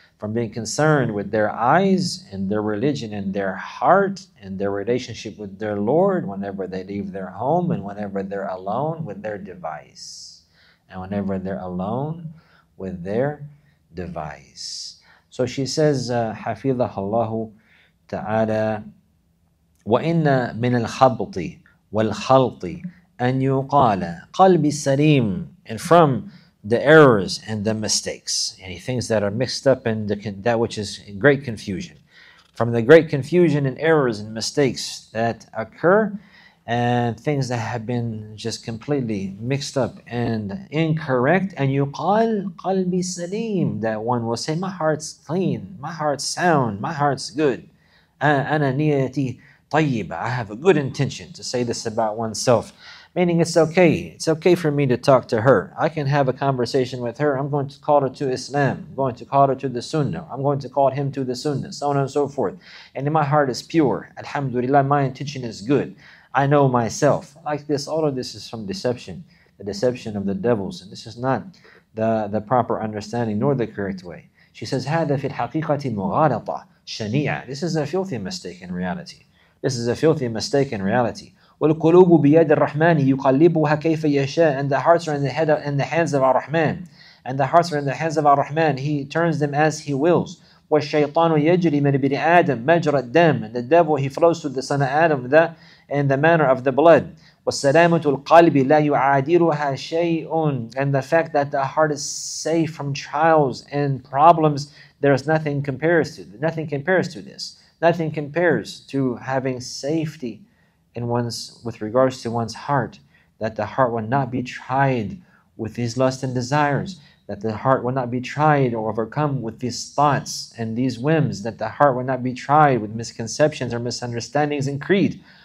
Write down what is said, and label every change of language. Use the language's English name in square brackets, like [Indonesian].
[English] From being concerned with their eyes and their religion and their heart and their relationship with their Lord whenever they leave their home and whenever they're alone with their device. And whenever they're alone with their device. So she says, [Arabic] حفظه الله تعالى, وَإِنَّ مِنَ الْخَبْطِ وَالْخَلْطِ أَنْ يُقَالَ قَلْبِ السَّلِيمِ. [English] And from the errors and the mistakes, any things that are mixed up and that which is in great confusion. From the great confusion and errors and mistakes that occur, and things that have been just completely mixed up and incorrect, and you call qalbi salim, that one will say, my heart's clean, my heart's sound, my heart's good. [Arabic] Ana niyati tayyiba, [English] I have a good intention to say this about oneself. Meaning it's okay for me to talk to her. I can have a conversation with her. I'm going to call her to Islam. I'm going to call her to the Sunnah. I'm going to call him to the Sunnah, so on and so forth. And my heart is pure. Alhamdulillah, my intention is good. I know myself. Like this, all of this is from deception. the deception of the devils. And this is not the proper understanding nor the correct way. She says, [Arabic] هذا في الحقيقة مغالطة شنيعة. [English] This is a filthy mistake in reality. This is a filthy mistake in reality. [Arabic] والقلوب بيد الرحمن يقلبها كيف يشاء. [English] And the hearts are in the hands of Ar-Rahman. And the hearts are in the hands of Ar-Rahman. He turns them as he wills. [Arabic] والشيطان يجري من ابن آدم مجرى الدم. [English] And the devil, he flows through the son of Adam in the manner of the blood. [Arabic] والسلامة القلب لا يعادلها شيء. [English] And the fact that the heart is safe from trials and problems, there is nothing compares to this. Nothing compares to having safety with regards to one's heart, that the heart will not be tried with these lusts and desires, that the heart will not be tried or overcome with these thoughts and these whims, that the heart will not be tried with misconceptions or misunderstandings and creed.